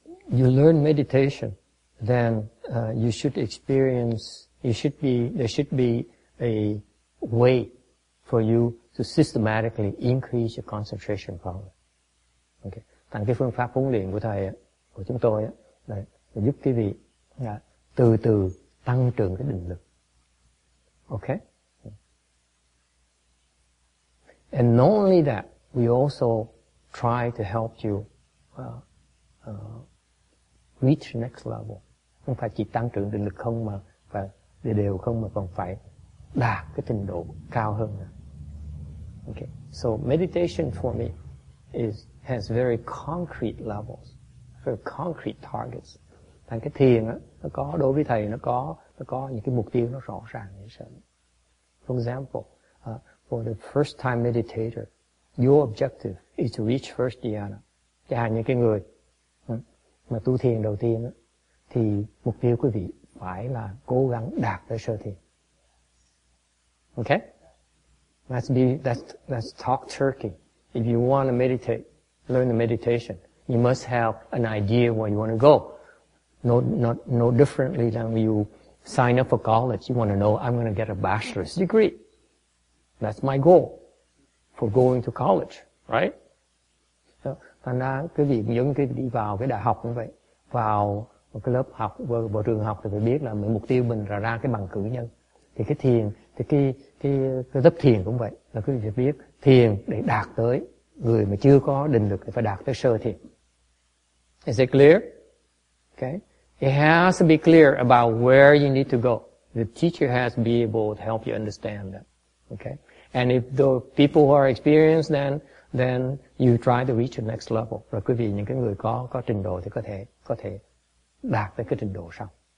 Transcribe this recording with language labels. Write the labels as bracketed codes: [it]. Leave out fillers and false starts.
[en] You learn meditation, then you should experience, there should be a way for you to systematically increase your concentration power. Okay. [vi] Thành cái phương pháp huấn luyện của thầy, của chúng tôi, là giúp quý vị từ từ tăng trưởng cái định lực. Okay? [en] And not only that, we also try to help you reach the next level. [vi] Không phải chỉ tăng trưởng định lực không mà và đều không mà còn phải đạt cái trình độ cao hơn. Okay. [en] So meditation for me has very concrete levels, very concrete targets. [vi] Thành cái thiền á, nó có đối với thầy nó có những cái mục tiêu nó rõ ràng như sao. [en] For example, for the first time meditator, your objective is to reach first dhyana. [vi] Chẳng hạn như cái người mà tu thiền đầu tiên á, thì mục tiêu quý vị phải là cố gắng đạt tới sơ thiền. [en] Okay? Let's talk turkey. If you want to meditate, learn the meditation, you must have an idea where you want to go. No differently than when you sign up for college, you want to know, I'm going to get a bachelor's degree. That's my goal for going to college, right? [vi] So, thành ra quý vị giống như đi vào cái đại học như vậy, vào một cái lớp học, vào trường học thì phải biết là mục tiêu mình là ra cái bằng cử nhân. Thì cái thiền, thì cái lớp thiền cũng vậy, là quý vị phải biết thiền để đạt tới, người mà chưa có định lực thì phải đạt tới sơ thiền. [en] Is it clear? Okay. It has to be clear about where you need to go. The teacher has to be able to help you understand that. Okay. And if the people who are experienced, then you try to reach the next level. [vi] Rồi quý vị những cái người có trình độ thì có thể đạt tới cái trình độ sau.